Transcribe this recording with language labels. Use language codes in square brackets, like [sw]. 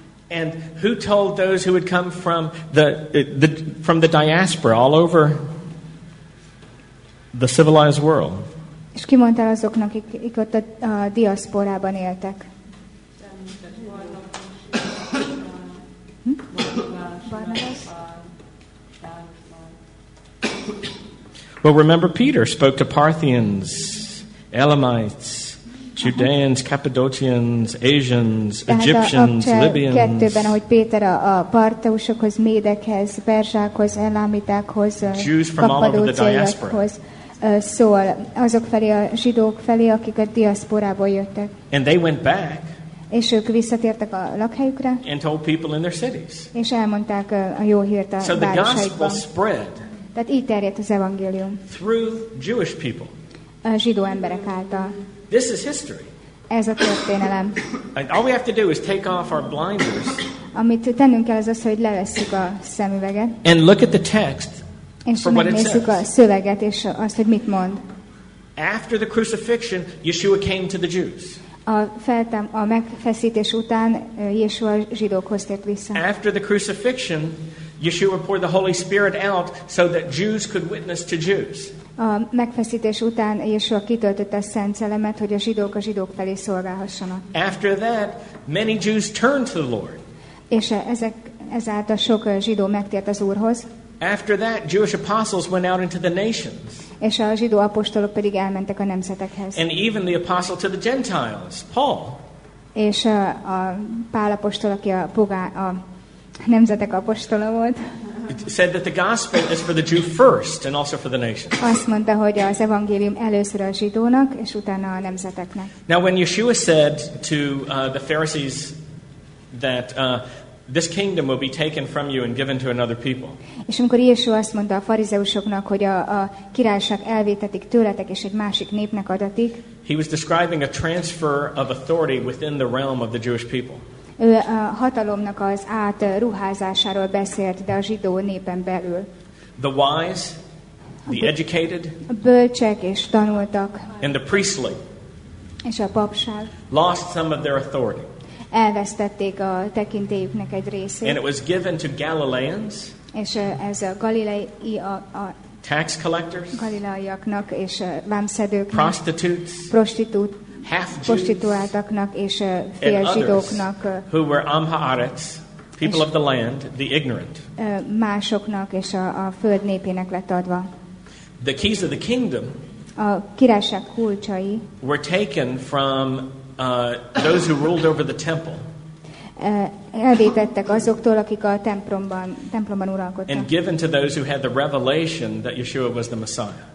[en] And who told those who had come from the diaspora all over the civilized world? [hu] És ki mondta azoknak, akik ott a diaszporában éltek? [en] Well, remember Peter spoke to Parthians, Elamites, Judeans, Cappadocians, Asians, Egyptians, Libyans. [hu] Kettőben, ahogy Péter a partausokhoz, médekhez, perzsákhoz, elamitákhoz, kappadóciaiakhoz szól, azok felé, a zsidók felé, akik a diaszporából jöttek. [en] And they went back. [hu] És ők visszatértek a lakhelyükre. [en] And told people in their cities. [hu] És elmondták a jó hírt a so városaikban. Tehát így terjedt az evangélium. [en] Through Jewish people. [hu] A zsidó emberek által. [en] This is history. [hu] Ez a történelem. [en] And all we have to do is take off our blinders. [hu] Amit tennünk kell, az az, hogy levesszük a szemüveget. [en] And look at the text. [hu] És megnézzük a szöveget, és azt, hogy mit mond. [en] After the crucifixion, Yeshua came to the Jews. [hu] A megfeszítés után Yeshua zsidókhoz tért vissza. [en] After the crucifixion, Yeshua poured the Holy Spirit out so that Jews could witness to Jews. [hu] A megfeszítés után Yeshua kitöltötte a Szent Szellemet, hogy a zsidók felé szolgálhassanak. [en] After that, many Jews turned to the Lord. [hu] És ezáltal sok zsidó megtért az Úrhoz. [en] After that, Jewish apostles went out into the nations. [hu] És a zsidó apostolok pedig elmentek a nemzetekhez. [en] And even the apostle to the Gentiles, Paul. [hu] És a Pál apostol, aki a nemzetek apostola volt. [en] It said that the gospel is for the Jew first and also for the nations. [hu] Azt mondta, hogy az evangélium először a zsidónak és utána a nemzeteknek. [en] Now when Yeshua said to the Pharisees that this kingdom will be taken from you and given to another people. [hu] És amikor Yeshua azt mondta a farizeusoknak, hogy a királyság elvétetik tőletek és egy másik népnek adatik. [en] He was describing a transfer of authority within the realm of the Jewish people. [hu] Ő a hatalomnak az átruházásáról beszélt, de a zsidó népen belül. [en] The wise, the educated, [hu] a bölcsek és tanultak, [en] and the priestly, [hu] és a papság, [en] lost some of their authority. [hu] Elvesztették a tekintélyüknek egy részét. [en] And it was given to Galileans. [hu] És ez a galileai a [en] tax collectors. [hu] Galileaiaknak és vámszedőknek. [en] Prostitutes. [hu] Prostituáltaknak és fél zsidóknak. [en] Who were amha'aretz, people of the land, the ignorant. [hu] Másoknak és a föld népének lett adva. [en] The keys of the kingdom. [hu] A királyság kulcsai. [en] Were taken from those who ruled over the temple. [hu] Elvétettek azoktól, akik a templomban uralkodtak. [en] And given to those who had the revelation that Yeshua was the Messiah.